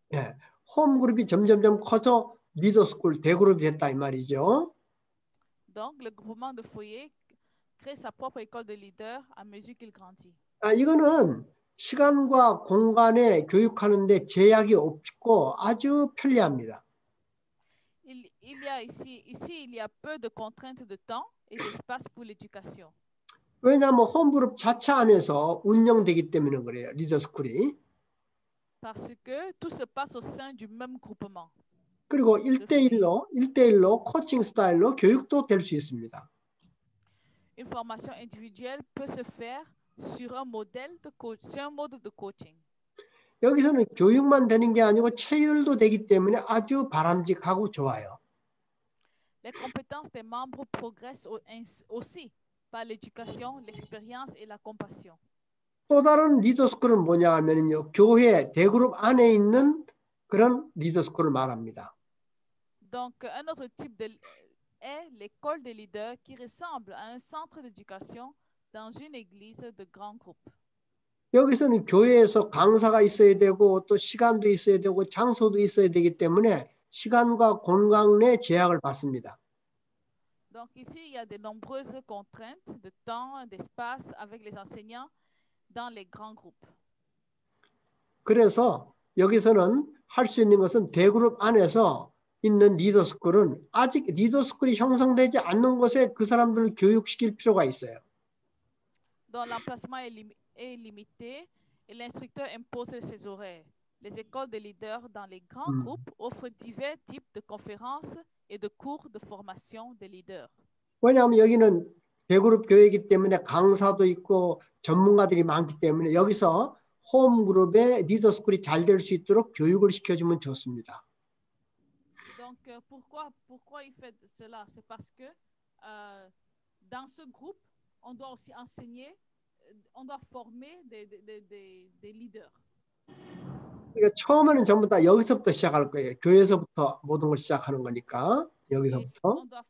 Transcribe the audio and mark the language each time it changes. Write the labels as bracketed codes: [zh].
[ko] 예, 홈 그룹이 점점점 커져 리더 스쿨 대그룹이 됐다 이 말이죠. [fr] Donc le groupement de foyer crée sa propre école de leader à mesure qu'il grandit. [ko] 아, 이거는 시간과 공간에 교육하는 데 제약이 없고 아주 편리합니다. [fr] Il y a ici il y a peu de contraintes de temps et d'espace pour l'éducation. [ko] 왜냐하면 홈그룹 자체 안에서 운영되기 때문에 그래요. 리더 스쿨이. [fr] Parce que tout se passe au sein du même groupement. [ko] 그리고 1대1로 코칭 스타일로 교육도 될 수 있습니다. [fr] Une formation individuelle peut se faire sur un modèle de coach, sur un mode de coaching. [ko] 여기서는 교육만 되는 게 아니고 체율도 되기 때문에 아주 바람직하고 좋아요. [fr] Les compétences des membres progressent aussi par l'éducation, l'expérience et la compassion. [ko] 또 다른 리더 스쿨은 뭐냐 하면은요. 교회 대그룹 안에 있는 그런 리더 스쿨을 말합니다. [fr] Donc un autre type de est l'école des leaders qui ressemble à un centre d'éducation. Dans une église de grand groupe. [ko] 여기서는 교회에서 강사가 있어야 되고 또 시간도 있어야 되고 장소도 있어야 되기 때문에 시간과 공간 내 제약을 받습니다. [fr] Donc ici il y a de nombreuses contraintes de temps, d'espace avec les enseignants dans les grands groupes. [ko] 그래서 여기서는 할 수 있는 것은 대그룹 안에서 있는 리더 스쿨은 아직 리더 스쿨이 형성되지 않는 곳에 그 사람들을 교육시킬 필요가 있어요. [fr] Donc l'emplacement est limité et l'instructeur impose ses horaires. Les écoles de leaders dans les grands groupes offrent divers types de conférences et de cours de formation de leaders. [ko] 왜냐하면 여기는 대그룹 교회이기 때문에 강사도 있고 전문가들이 많기 때문에 여기서 홈 그룹의 리더 스쿨이 잘 될 수 있도록 교육을 시켜주면 좋습니다. [fr] Donc pourquoi il fait cela? C'est parce que dans ce groupe on doit aussi enseigner, on doit former des leaders. [ko] 그러니까 처음에는 전부 다 여기서부터 시작할 거예요. 교회에서부터 모든 걸 시작하는 거니까 여기서부터.